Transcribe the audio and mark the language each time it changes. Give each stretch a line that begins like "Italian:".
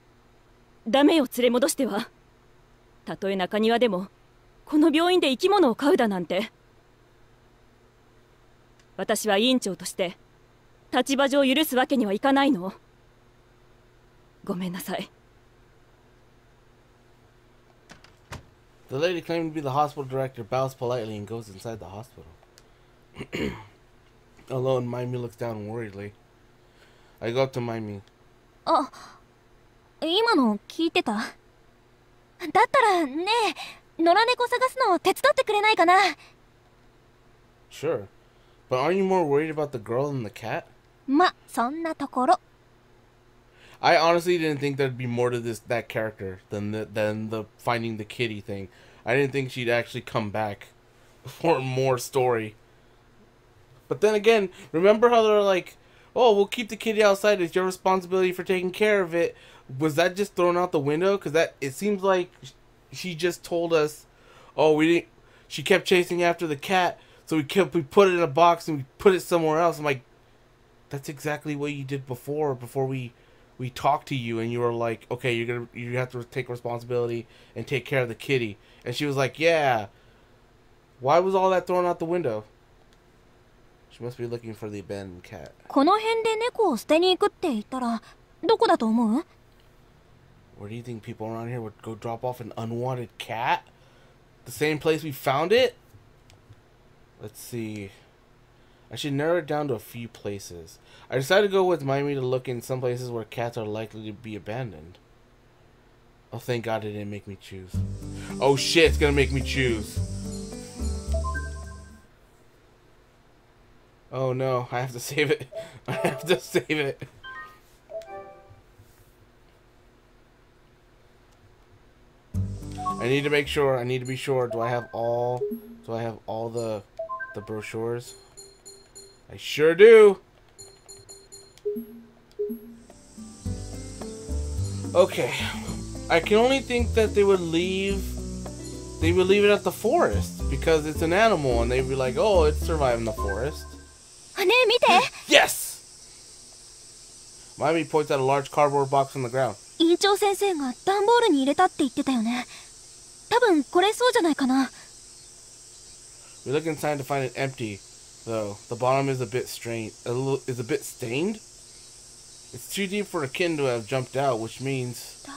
Japanese: この中庭に住み着いていた野良猫を私が昨日段ボールに入れて捨ててしまったの。それで商店街をふらふらと。昨日は見つけて何とか連れ戻したんだけど、今日も気がついたらベッドがもぬけの殻で、多分また野良猫を探しに行ったんだと思うわ。野良猫どこに捨てたんですか？それはダメよ、連れ戻しては。たとえ中庭でも、この病院で生き物を飼うだなんて、私は委員長として立場上許すわけにはいかないの。ごめんなさい。
English: The lady claiming to be the hospital director bows politely and goes inside the hospital. Alone, Maimi looks down worriedly. I go up to Maimi.
Japanese: あ、今の聞いてた？だったらねえ、野良猫探すのを手伝ってくれないかな?
English: Sure. But aren't you more worried about the girl than the cat?
Japanese: ま、そんなところ。
English: I honestly didn't think there'd be more to this that character than the finding the kitty thing. I didn't think she'd actually come back for more story. But then again, remember how they're like, oh, we'll keep the kitty outside, it's your responsibility for taking care of it. Was that just thrown out the window? Because that, it seems like she just told us, oh, we didn't, she kept chasing after the cat, so we put it in a box and we put it somewhere else. I'm like, that's exactly what you did before we talked to you, and you were like, okay, you have to take responsibility and take care of the kitty. And she was like, yeah. Why was all that thrown out the window? She must be looking for the abandoned cat.
Japanese: この辺で猫を捨てに行くって言ったら、どこだと思う?
English: Where do you think people around here would go drop off an unwanted cat? The same place we found it? Let's see. I should narrow it down to a few places. I decided to go with Maimi to look in some places where cats are likely to be abandoned. Oh, thank God it didn't make me choose. Oh shit, it's gonna make me choose. Oh no, I have to save it. I have to save it. I need to be sure. Do I have all the brochures? I sure do. Okay. I can only think that they would leave it at the forest because it's an animal and they'd be like, oh, it's surviving the forest. Yes! Maimi points at a large cardboard box on the ground.
Japanese: 院長先生が段ボールに入れたって言ってたよね。多分これそうじゃないかな。
English: We look inside to find it empty, though. The bottom is a bit stained. It's too deep for a kitten to have jumped out, which means...